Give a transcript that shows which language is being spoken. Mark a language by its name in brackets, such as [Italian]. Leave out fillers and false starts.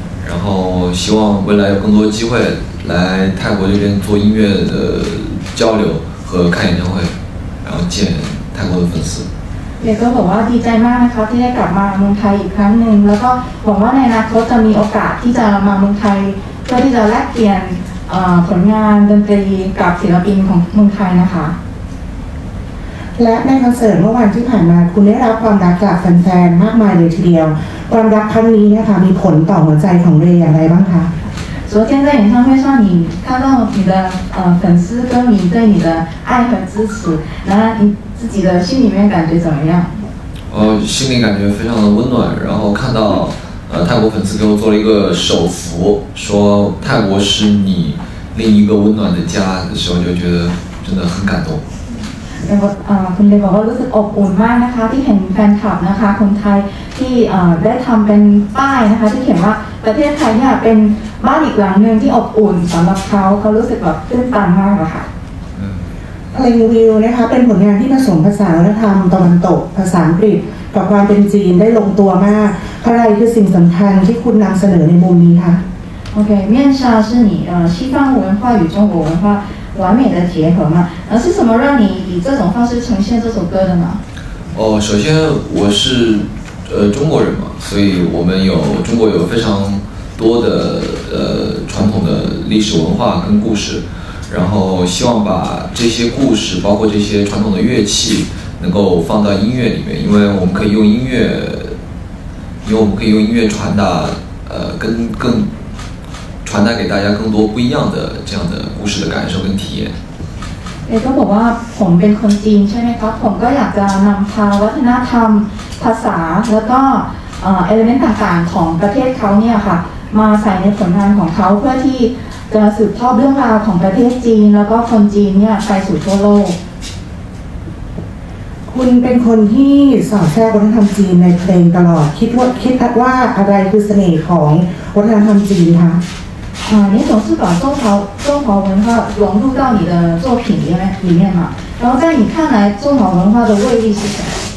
[Chinese] 然后希望未来有更多机会来泰国这边做音乐的交流和看演唱会，然后见泰国的粉丝。 [Thai] 也ก็บอกว่าดีใจมากนะคะที่ได้กลับมาเมืองไทยอีกครั้งหนึ่งแล้วก็หวังว่าในอนาคตจะมีโอกาสที่จะมาเมืองไทยเพื่อที่จะแลกเปลี่ยนผลงานดนตรีกับศิลปินของเมืองไทยนะคะ และในคอนเสิร์ตเมื่อวันที่ผ่านมาคุณได้รับความรักจากแฟนๆมากมายเลยทีเดียวความรักครั้งนี้นะคะมีผลต่อหัวใจของเรย์อย่างไรบ้างคะ [Chinese] 昨天在演唱会上，你看到你的粉丝歌迷对你的爱和支持，那你自己的心里面感觉怎么样？心里感觉非常的温暖。然后看到泰国粉丝给我做了一个手幅，说泰国是你另一个温暖的家的时候，就觉得真的很感动。 [Thai] แล้วคุณเลยบอกว่ารู้สึกอบอุ่นมากนะคะที่เห็นแฟนคลับนะคะคนไทยที่ได้ทำเป็นป้ายนะคะที่เขียนว่าประเทศไทยเนี่ยเป็นบ้านอีกหลังนึงที่อบอุ่นสำหรับเขาเขารู้สึกแบบตื้นตันมากอะค่ะ เพลงวิวนะคะเป็นผลงานที่ผสมภาษาวัฒนธรรมตะวันตกภาษาอังกฤษกับความเป็นจีนได้ลงตัวมากอะไรคือสิ่งสำคัญที่คุณนำเสนอในมุมนี้คะ [Chinese] โอเค面纱是你西方文化与中国文化完美的结合嘛？是什么让你以这种方式呈现这首歌的呢？首先我是中国人嘛，所以我们有中国有非常多的传统的历史文化跟故事，然后希望把这些故事，包括这些传统的乐器，能够放到音乐里面，因为我们可以用音乐传达更传达给大家更多不一样的这样的故事的感受跟体验。 [Thai] เขาบอกว่าผมเป็นคนจีนใช่ไหมครับผมก็อยากจะนำพาวัฒนธรรมภาษาแล้วก็เอลิเมนต์ต่างๆของประเทศเขาเนี่ยค่ะมาใส่ในผลงานของเขาเพื่อที่จะสืบทอดเรื่องราวของประเทศจีนแล้วก็คนจีนเนี่ยไปสู่ทั่วโลก คุณเป็นคนที่สอดแทรกวัฒนธรรมจีนในเพลงตลอดคิดว่าอะไรคือเสน่ห์ของวัฒนธรรมจีนคะ [Chinese] 你总是把中华文化融入到你的作品里面嘛，然后在你看来中华文化的魅力是什么？